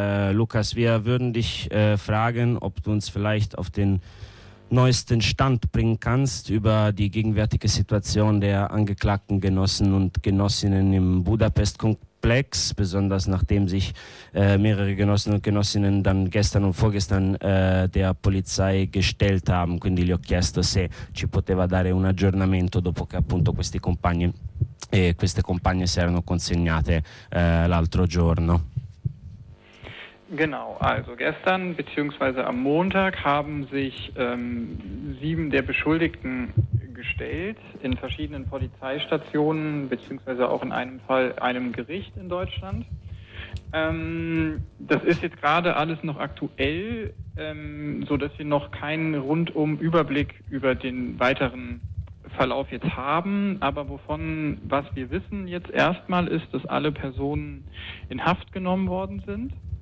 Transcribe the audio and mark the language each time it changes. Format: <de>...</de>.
<de>Lukas, wir würden dich fragen, ob du uns vielleicht auf den neuesten Stand bringen kannst über die gegenwärtige Situation der angeklagten Genossen und Genossinnen im Budapest-Komplex, besonders nachdem sich mehrere Genossen und Genossinnen dann gestern und vorgestern der Polizei gestellt haben.</de> <it>Quindi gli ho chiesto se ci poteva dare un aggiornamento dopo che appunto questi compagni e queste compagne si erano consegnate l'altro giorno.</it> <de>Genau, also gestern bzw. am Montag haben sich 7 der Beschuldigten gestellt in verschiedenen Polizeistationen bzw. auch in einem Fall einem Gericht in Deutschland. Das ist jetzt gerade alles noch aktuell, so dass wir noch keinen rundum Überblick über den weiteren Verlauf jetzt haben, aber wovon, was wir wissen jetzt erstmal ist, dass alle Personen in Haft genommen worden sind</de>